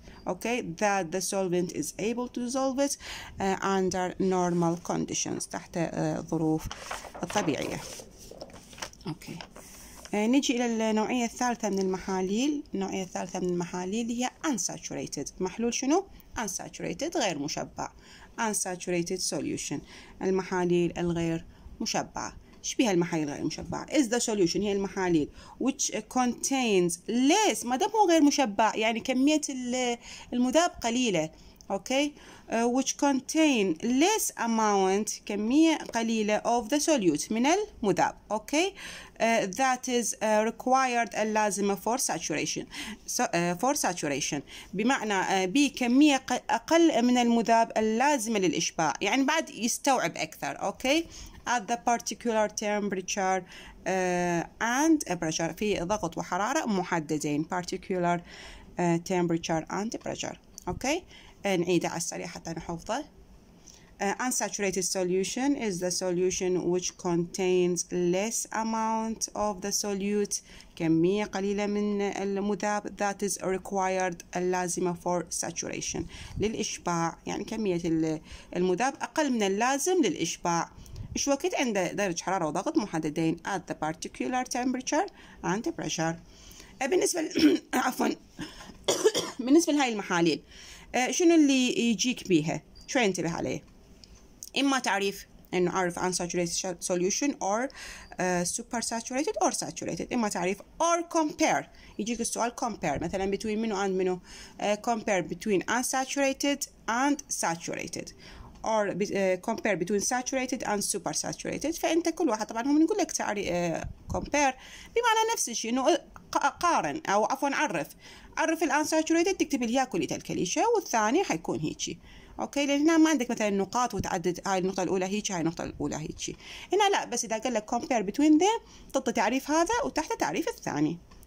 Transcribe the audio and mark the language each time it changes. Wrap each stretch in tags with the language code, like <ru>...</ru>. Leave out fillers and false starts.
<en>okay, that the solvent is able to dissolve it under normal conditions,</en> <ar>تحت ظروف طبيعية.</ar> <en>Okay.</en> <ar>نجي إلى النوعية الثالثة من المحاليل. النوعية الثالثة من المحاليل هي unsaturated. محلول شنو؟ unsaturated غير مشبع. unsaturated solution. المحاليل الغير مشبعة. إيش بها المحاليل غير مشبعة؟</ar> <en>is the solution</en> <ar>هي المحاليل</ar> <en>which contains less.</en> <ar>ما دام هو غير مشبع يعني كمية المذاب قليلة.</ar> <en>Okay, which contain less amount,</en> <ar>كمية قليلة</ar> <en>of the solute</en> <ar>من المذاب.</ar> <en>Okay, that is required</en> <ar>اللازمة</ar> <en>for saturation.</en> <ar>For saturation بمعنى بكمية أقل من المذاب اللازمة للإشباع. يعني بعد يستوعب أكثر.</ar> <en>Okay, at the particular temperature and pressure</en> <ar>في ضغط وحرارة محددين.</ar> <en>Particular temperature and pressure. Okay.</en> <ar>نعيد على السريع حتى نحفظه.</ar> <en>Unsaturated solution is the solution which contains less amount of the solute,</en> <ar>كمية قليلة من المذاب,</ar> <en>that is required</en> <ar>اللازمة</ar> <en>for saturation</en> <ar>للإشباع. يعني كمية المذاب أقل من اللازم للإشباع. إيش وقت عند درجة حرارة وضغط محددين</ar> <en>at the particular temperature and pressure.</en> <ar>بالنسبة عفوا بالنسبة لهاي المحاليل شنو اللي يجيك بيها؟ شو ينتبه عليه؟ إما تعريف إنه عارف</ar> <en>unsaturated solution or supersaturated or saturated.</en> <ar>إما تعريف</ar> <en>or compare.</en> <ar>يجيك السؤال compare مثلا between منو and منو.</ar> <en>Compare between unsaturated and saturated. Or compare between saturated and supersaturated.</en> <ar>فأنت كل واحد طبعا هم نقول لك تعريف compare بمعنى نفس الشيء إنه قارن أو عفوا عرف. عرف الان ساتوريتد تكتب لي اياه كلية الكليشة والثاني حيكون هيجي. اوكي لان هنا ما عندك مثلا نقاط وتعدد هاي النقطه الاولى هيجي هاي النقطه الاولى هيجي. هنا لا, بس اذا قال لك</ar> <en>compare between the</en> <ar>تحط تعريف هذا وتحت تعريف الثاني.</ar>